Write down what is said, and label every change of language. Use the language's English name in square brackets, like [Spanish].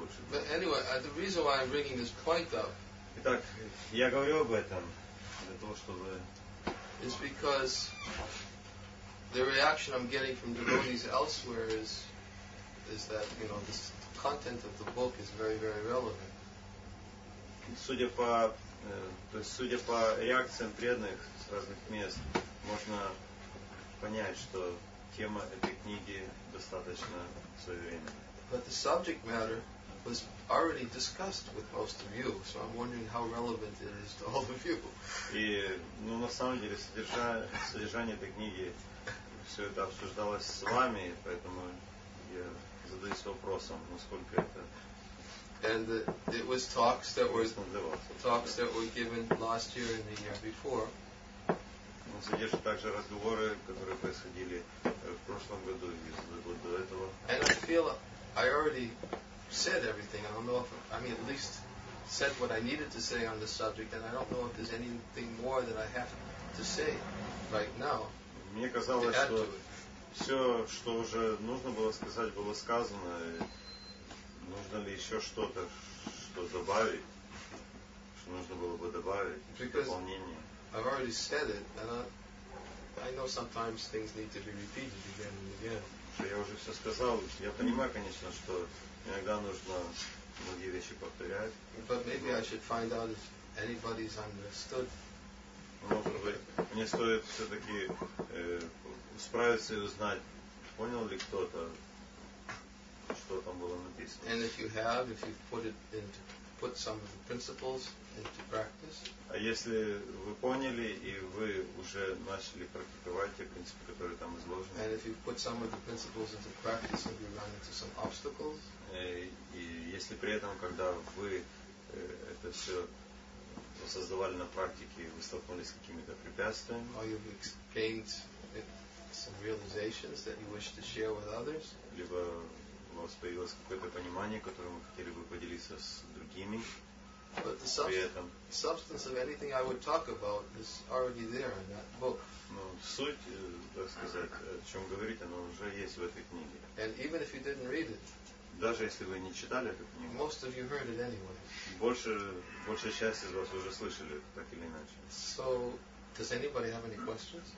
[English] But anyway, the reason why I'm bringing this point up. [Russian] Итак, я говорю об этом для того, чтобы. [English] It's because the reaction I'm getting from devotees elsewhere is that you know this content of the book is very very relevant. [Russian] Судя по реакциям преданных с разных мест, можно понять, что тема этой книги достаточно своевременна. [English] But the subject matter was already discussed with most of you, so I'm wondering how relevant it is to all of you. [Russian] И, ну, на самом деле, содержание этой книги все это обсуждалось с вами, поэтому я задаюсь вопросом, насколько это. [English] And it was talks that were talks that were given last year and the year before. [Russian] Он содержит также разговоры, которые происходили в прошлом году и за год до этого. [English] And I feel I already said everything. I don't know if I mean at least said what I needed to say on the subject, and I don't know if there's anything more that I have to say right now. [Russian] Мне казалось, что все, что уже нужно было сказать, было сказано. Нужно ли еще что-то, что добавить? Что нужно было бы добавить? Дополнение. [English] I've already said it, and I know sometimes things need to be repeated again and again. [Russian] Я уже все сказал. Я понимаю, конечно, что иногда нужно многие вещи повторять. [English] But maybe I should find out if anybody's understood. [Russian] Может быть, мне стоит все-таки справиться и узнать, понял ли кто-то, что там было написано. [English] And if you have, if you've put it into put some of the principles into practice. [Russian] А если вы поняли и вы уже начали практиковать те принципы, которые там изложены? [English] And if you put some of the principles into practice and you run into some obstacles? [Russian] И если при этом, когда вы это все создавали на практике, вы столкнулись с какими-то препятствиями? [English] Or you've gained some realizations that you wish to share with others? [Russian] Либо у вас появилось какое-то понимание, которое вы хотели бы поделиться с другими? [English] But the substance of anything I would talk about is already there in that book. [Russian] Ну, суть, так сказать, о чем говорить, она уже есть в этой книге. [English] And even if you didn't read it, [Russian] даже если вы не читали эту книгу, [English] most of you heard it anyway. [Russian] Большая часть из вас уже слышали так или иначе. [English] So, does anybody have any questions?